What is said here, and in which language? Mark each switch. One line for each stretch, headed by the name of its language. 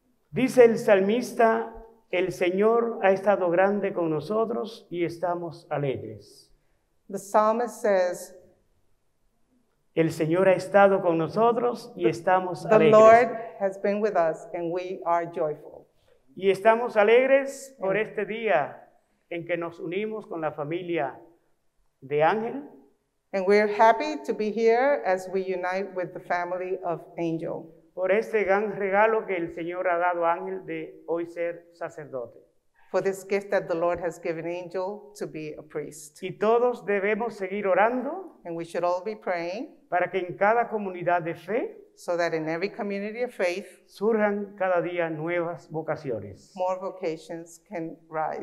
Spanish: Dice el salmista: el Señor ha estado grande con nosotros y estamos alegres.
English: The psalmist says,
Spanish: el Señor ha estado con nosotros y estamos
English: the
Spanish: alegres.
English: The Lord has been with us and we are joyful.
Spanish: Y estamos alegres por este día en que nos unimos con la familia de Ángel.
English: And we are happy to be here as we unite with the family of Angel.
Spanish: Por este gran regalo que el Señor ha dado a Ángel de hoy ser sacerdote.
English: For this gift that the Lord has given Angel to be a priest.
Spanish: Y todos debemos seguir orando.
English: And we should all be praying.
Spanish: Para que en cada comunidad de fe.
English: So that in every community of faith.
Spanish: Surjan cada día nuevas vocaciones.
English: More vocations can rise.